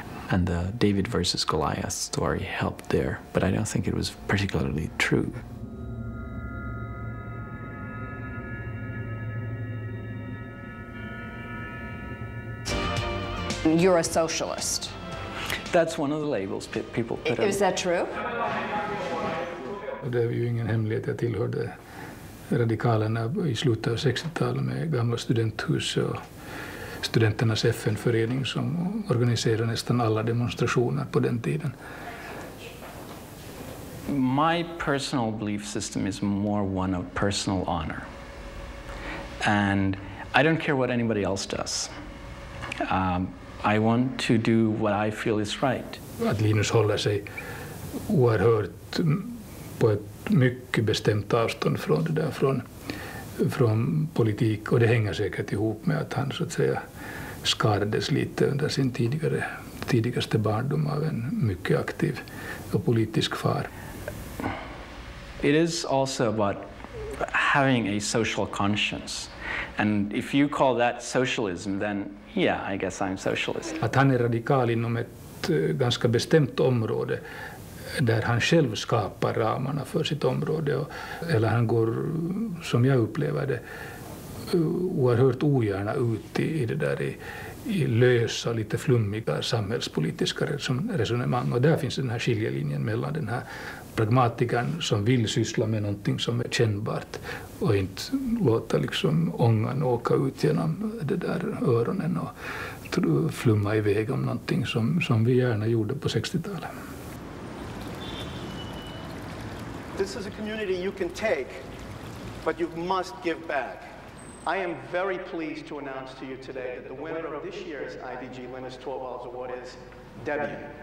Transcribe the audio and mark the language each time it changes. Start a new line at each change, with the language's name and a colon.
English: And the David versus Goliath story helped there, but I don't think it was particularly true. You're a socialist. That's one of the labels people put on. Is that true?
Swedish: Det var ju ingen hemlighet. Jag tillhörde radikalerna i slutet av 60-talet med gamla studenthus och studenternas FN-förening som organiserade nästan alla demonstrationer på den tiden.
English: My personal belief system is more one of personal honor. And I don't care what anybody else does. I want to do what I feel is right.
Swedish: Att Linus håller sig oerhört på ett mycket bestämt avstånd från det där, från politik, och det hänger säkert ihop med att han så att säga skadades lite under sin tidigaste barndom av en mycket aktiv och politisk far.
English: It is also about having a social conscience, and if you call that socialism, then yeah, I guess I'm socialist.
Swedish: Att han är radikal inom ett ganska bestämt område där han själv skapar ramarna för sitt område, och, eller han går, som jag upplever det, oerhört ogärna ut i det där i lösa, lite flummiga samhällspolitiska resonemang. Och där finns den här skiljelinjen mellan den här pragmatikern som vill syssla med någonting som är kännbart och inte låta liksom ångan åka ut genom det där öronen och flumma iväg om någonting som vi gärna gjorde på 60-talet.
English: This is a community you can take, but you must give back. I am very pleased to announce to you today that the winner of this year's IDG Linus Torvalds Award is Debbie.